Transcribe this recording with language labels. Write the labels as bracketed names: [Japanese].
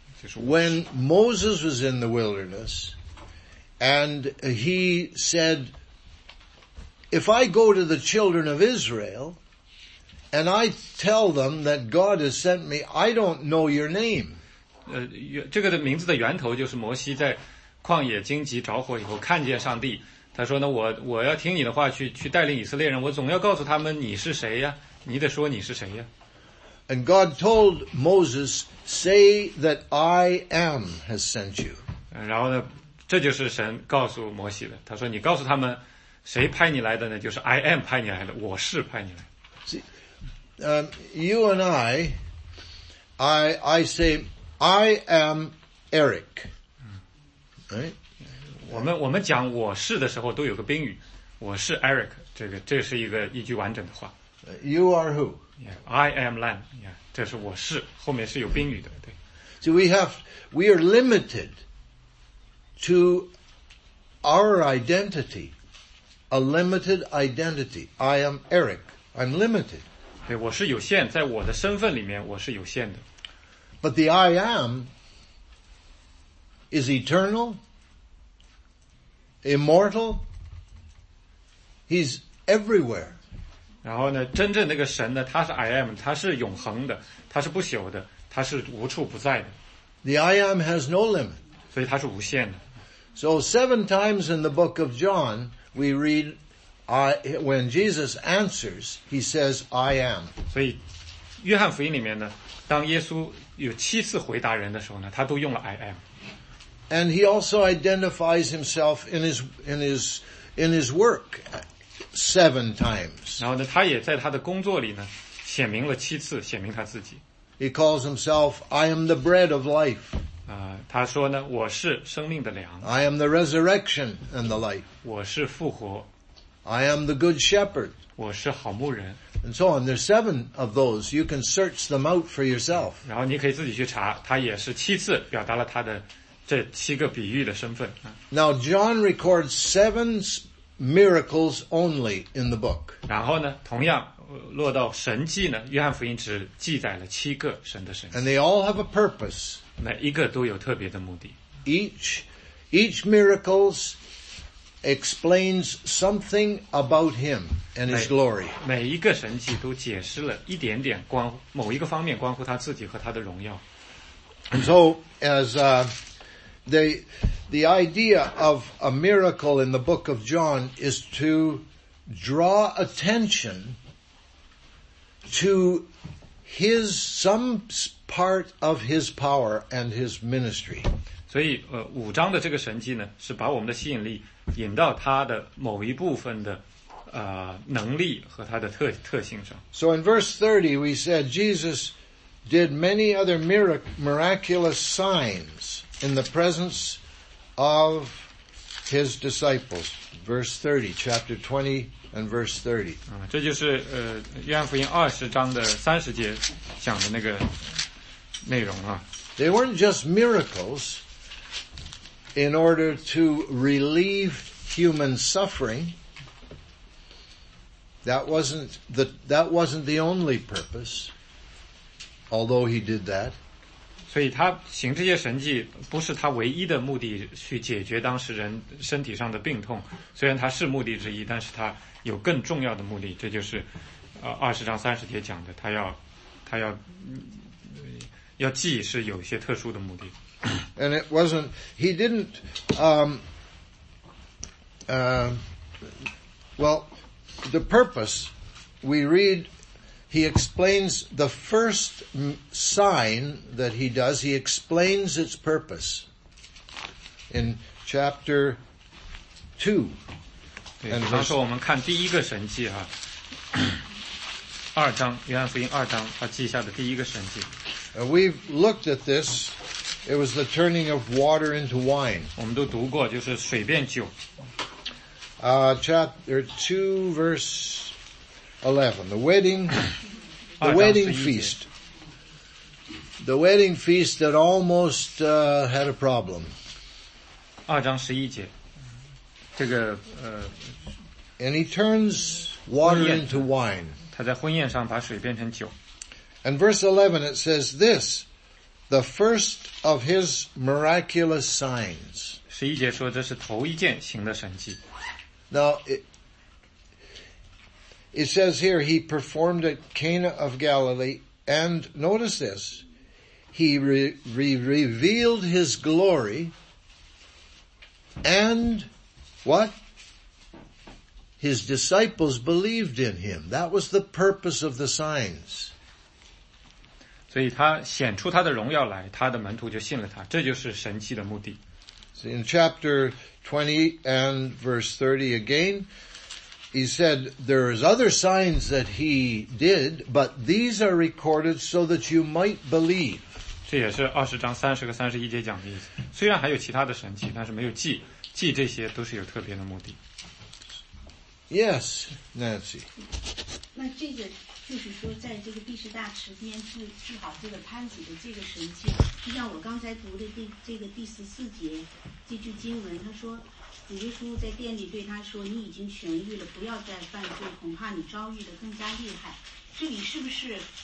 [Chinese] 就是。 [English] When Moses was in the wilderness, and he said,If I go to the children of Israel, and I tell them that God has sent me, I don't know your name. [Chinese] 这个的名字的源头就是摩西在旷野荆棘着火以后看见上帝，他说呢，我要听你的话去带领以色列人，我总要告诉他们你是谁呀，你得说你是谁呀。 [English] And God told Moses, "Say that I am has sent you." [Chinese] 然后呢，这就是神告诉摩西的，他说你告诉他们。谁派你来的呢？就是 I am 派你来的，我是派你来。 [English] See, you and I say I am Eric. Right? [Chinese] 我们讲我是的时候都有个宾语，我是 Eric。这是一句完整的话。 [English] You are who? Yeah, I am Lam. Yeah, [Chinese] 这是我是，后面是有宾语的。对。 [English] So we are limited to our identity. A limited identity. I am Eric. I'm limited. [Chinese] 对，我是有限，在我的身份里面，我是有限的。 [English] But the I am is eternal, immortal. He's everywhere. [Chinese] 然后呢，真正那个神呢，他是 I am， 他是永恒的，他是不朽的，他是无处不在的。 [English] The I am has no limit. [Chinese] 所以他是无限的。 [English] So seven times in the book of John. We read, when Jesus answers, he says, I am. [Chinese] 所以约翰福音里面呢，当耶稣有七次回答人的时候呢，他都用了 I am. [English] And he also identifies himself in his work seven times. [Chinese] 然后呢，他也在他的工作里呢，显明了七次，显明他自己。 [English] He calls himself, I am the bread of life. [Chinese] 他说呢，我是生命的粮。 [English] I am the resurrection and the life. [Chinese] 我是复活。 [English] I am the good shepherd. [Chinese] 我是好牧人。 [English] And so on. There's seven of those. You can search them out for yourself. [Chinese] 然后你可以自己去查。他也是七次表达了他的这七个比喻的身份。 [English] Now John records seven miracles only in the book. [Chinese] 然后呢，同样落到神迹呢，约翰福音只记载了七个神的神迹。 [English] And they all have a purpose. [Chinese] 每一个都有特别的目的。 [English] Each miracles explains something about him and his glory. [Chinese] 每一个神迹都解释了一点点关某一个方面关乎他自己和他的荣耀。 [English] And so, as the idea of a miracle in the book of John is to draw attention to his, some part of his power and his ministry. [Chinese] 所以五章的这个神迹呢是把我们的吸引力引到他的某一部分的能力和他的特性上。 [English] So in verse 30 we said Jesus did many other miraculous signs in the presence of his disciples. Verse 30, chapter 20 and verse 30. [Chinese] 这就是约翰福音二十章的三十节讲的那个内容啊。 [English] They weren't just miracles in order to relieve human suffering. That wasn't the only purpose. Although he did that. [Chinese] 所以他行这些神迹不是他唯一的目的去解决当时人身体上的病痛。虽然他是目的之一但是他有更重要的目的这就是二十章三十节讲的他要记是有一些特殊的目的。 [English] And it wasn't, he didn't, well, the purpose we read He explains the first sign that he does, he explains its purpose in chapter 2. [Chinese] 对，比方说我们看第一个神迹啊，二章，约翰福音二章，他记下的第一个神迹。 [English] We've looked at this, it was the turning of water into wine. [Chinese] 我们都读过，就是水变酒。 [English] Chapter 2, verse 11, the wedding feast that almost had a problem. [Chinese] 二章十一节，这个 [English] And he turns water into wine. [Chinese] 他在婚宴上把水变成酒。 [English] And verse 11 it says this, the first of his miraculous signs. [Chinese] 十一节说这是头一件行的神迹。 [English] Now It says here, he performed at Cana of Galilee, and notice this, he revealed his glory, and what? His disciples believed in him. That was the purpose of the signs. [Chinese] 所以他显出他的荣耀来，他的门徒就信了他，这就是神迹的目的。 [English] So in chapter 20 and verse 30 again,He said, there is other signs that he did, but these are recorded so that you might believe. [Chinese] 这也是20章30和31节讲的意思。虽然还有其他的神迹，但是没有记。记这些都是有特别的目的。 [English] Yes, Nancy. [Chinese] 那这个就是说在这个毕士大池边治好这个瘫子的这个神迹，就像我刚才读的这个第14节，这句经文他说主耶稣在殿里对他说你已经痊愈了不要再犯罪恐怕你遭遇的更加厉害这里是不是